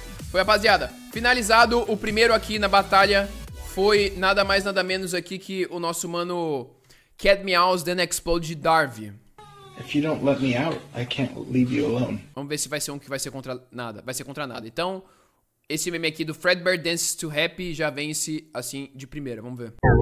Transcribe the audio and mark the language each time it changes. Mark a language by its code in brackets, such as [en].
[pt] Foi, rapaziada. Finalizado o primeiro aqui na batalha. Foi nada mais nada menos aqui que o nosso mano Cat Meows Then Explode de Darvi. [en] If you don't let me out, I can't leave you alone. [pt] Vamos ver se vai ser um que vai ser contra nada. Vai ser contra nada. Então, esse meme aqui do Fredbear Dances to Happy já vence assim de primeira. Vamos ver.